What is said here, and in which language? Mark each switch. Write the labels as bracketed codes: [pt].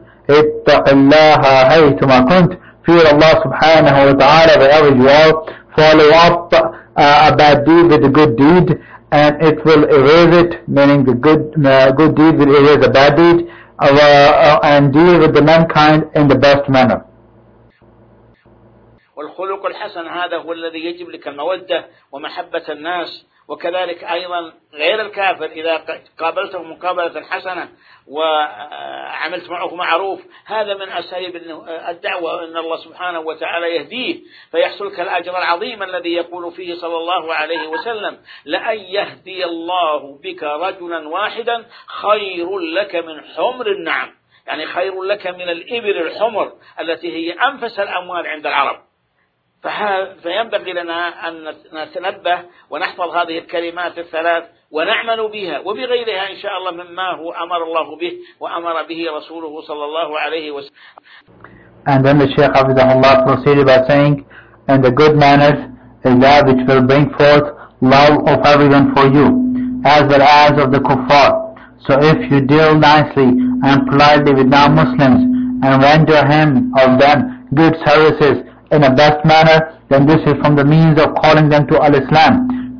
[ar] اتَّقِ اللَّهَ حَيْثُمَا كُنْتَ. [en] Fear Allah subhanahu wa ta'ala wherever you are. Follow up a bad deed with a good deed, and it will erase it, meaning the good deed will erase a bad deed, and deal with the mankind in the best manner. [ar] والخلق الحسن هذا هو الذي يجب لك المودة ومحبة الناس, وكذلك أيضا غير الكافر إذا قابلته مقابلة حسنة وعملت معه معروف, هذا من أساليب الدعوة أن الله سبحانه وتعالى يهديه فيحصلك الأجر العظيم الذي يقول فيه صلى الله عليه وسلم, لأن يهدي الله بك رجلا واحدا خير لك من حمر النعم, يعني خير لك من الإبر الحمر التي هي أنفس الأموال عند العرب. فينبغي لنا أن نتنبه ونحفظ هذه الكلمات الثلاث ونعمل بها وبغيرها إن شاء الله مما هو أمر الله به وأمر به رسوله صلى الله عليه وسلم. [en] And then the Shaykh [ar] حفظه الله [en] proceeded by saying, and the good manners is that which will bring forth love of everyone for you, as well as of the kuffar. So if you deal nicely and politely with non-Muslims and render him or them good services in a best manner, then this is from the means of calling them to al-Islam.